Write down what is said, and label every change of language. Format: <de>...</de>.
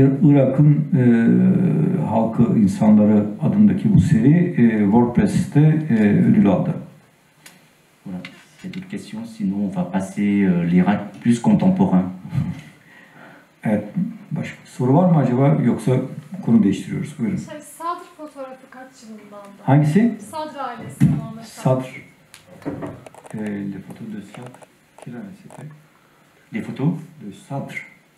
<tr>Irak'ın halkı insanları adındaki bu seri WordPress'te ödül aldı.</tr> <fr>Voilà. C'est des questions, sinon on va passer l'Irak plus contemporain.</fr> <tr>Evet. Başka soru var mı acaba yoksa konu değiştiriyoruz. Buyurun. Sadr fotoğrafı kaç yılından? Hangisi? Sadr ailesi.</tr> <fr>Sadr. Les photos de Sadr. Quelle année c'était? Les photos de Sadr.</fr>